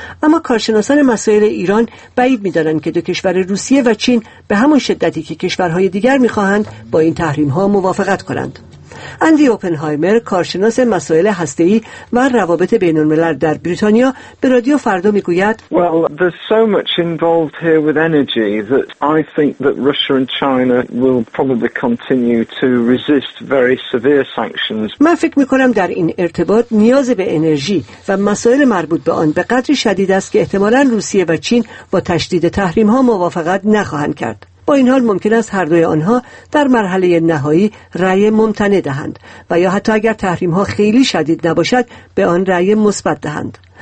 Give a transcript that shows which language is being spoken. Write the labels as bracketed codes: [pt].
[fa] اما کارشناسان مسائل ایران بعید می‌دانند که دو کشور روسیه و چین به همان شدتی که کشورهای دیگر می‌خواهند با این تحریم‌ها موافقت کنند. اندی اوپنهایمر، کارشناس مسائل هسته‌ای و روابط بین‌الملل در بریتانیا، به رادیو فردا می‌گوید: [en] Well, there's so much involved here with energy that I think that Russia and China will probably continue to resist very severe sanctions. [fa] من فکر می‌کنم در این ارتباط نیاز به انرژی و مسائل مربوط به آن به قدری شدید است که احتمالاً روسیه و چین با تشدید تحریم‌ها موافقت نخواهند کرد. با این حال ممکن است هر دوی آنها در مرحله نهایی رأی ممتنع دهند و یا حتی اگر تحریم‌ها خیلی شدید نباشد به آن رأی مثبت دهند.